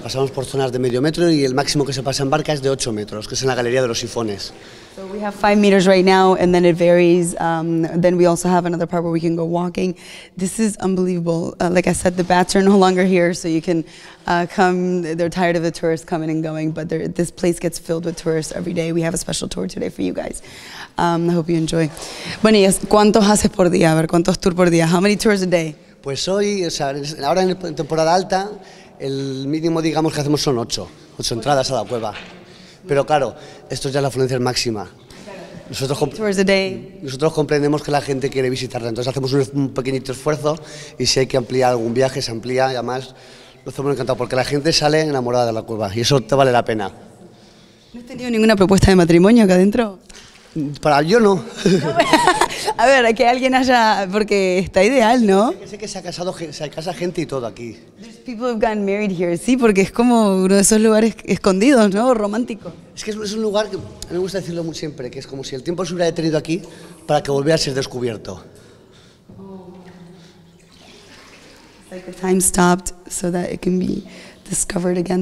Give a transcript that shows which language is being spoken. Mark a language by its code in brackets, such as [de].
[es] Pasamos por zonas de medio metro y el máximo que se pasa en barca es de 8 metros, que es en la galería de los sifones. [en] So we have 5 meters right now and then it varies. Then we also have another part where we can go walking. This is unbelievable. Like I said, the bats are no longer here, so you can come. They're tired of the tourists coming and going, but this place gets filled with tourists every day. We have a special tour today for you guys. I hope you enjoy. [es] Bueno, ¿cuántos haces por día? A ver, ¿cuántos tours por día? [en] How many tours a day? [es] Pues hoy, o sea, ahora en temporada alta, el mínimo, digamos, que hacemos son 8 entradas a la cueva. Pero claro, esto ya es la afluencia máxima. Nosotros comprendemos que la gente quiere visitarla, entonces hacemos un pequeñito esfuerzo y si hay que ampliar algún viaje, se amplía y además lo hacemos encantado porque la gente sale enamorada de la cueva y eso te vale la pena. ¿No has tenido ninguna propuesta de matrimonio acá adentro? Para yo no. A ver, que alguien haya, porque está ideal, ¿no? Sé que se ha casado, se casa gente y todo aquí. [en] There's people who've gotten married here, [es] sí, porque es como uno de esos lugares escondidos, ¿no? Romántico. Es que es un lugar que me gusta decirlo muy siempre, que es como si el tiempo se hubiera detenido aquí para que volviera a ser descubierto. Oh. [en] It's like the time stopped so that it can be discovered again.